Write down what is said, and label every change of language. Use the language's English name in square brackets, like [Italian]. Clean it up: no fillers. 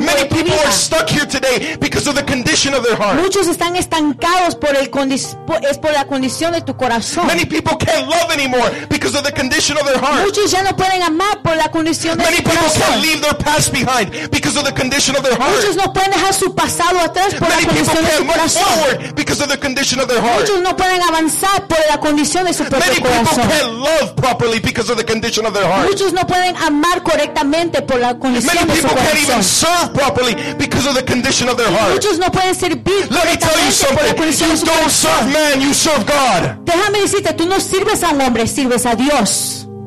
[English] Many people are stuck here today because of the condition of their heart. [Spanish] Muchos están estancados por la condición de tu corazón. [English] Many people can't love anymore because of the condition of their heart. [Spanish] Muchos ya no pueden amar por la condición de [English] Many [Spanish] su corazón. [English] Many people can't leave their past behind because of the condition of their heart. [Spanish] Muchos no pueden dejar su pasado atrás por [English] Many [Spanish] la condición de su corazón. [English] Many people can't move forward because of the condition of their heart. [Spanish] Muchos no pueden avanzar por la condición de su propio [English] Many [Spanish] corazón. [English] Many people can't love properly because of the condition of their heart. [Spanish] Muchos no pueden amar correctamente por la condición [English] Many [Spanish] de su corazón. [English] Many people can't even serve properly because of the condition of their heart. [Spanish] Muchos no pueden servir. [English] Let me tell you something. You don't serve man, you serve God. [Spanish] Déjame decirte, tú no sirves a un hombre, sirves a Dios.